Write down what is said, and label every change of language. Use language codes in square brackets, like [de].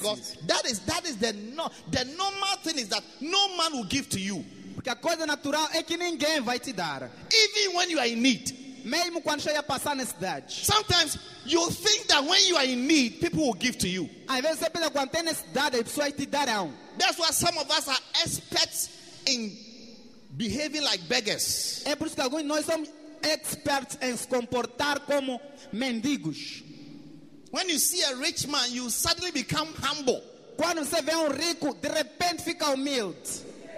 [en] Because that is the normal thing is that no man will give to you. [pt] Porque a coisa natural é que ninguém vai te dar. [en] Even when you are in need. [pt] Mesmo quando você ia passar necessidade. [en] Sometimes you think that when you are in need, people will give to you. [pt] Às vezes você pensa quando tem necessidade, as pessoas te darão. [en] That's why some of us are experts in behaving like beggars. [pt] É por isso que alguns nós somos experts em se comportar como mendigos. [en] When you see a rich man, you suddenly become humble. [pt] Quando você vê rico, de repente fica humilde.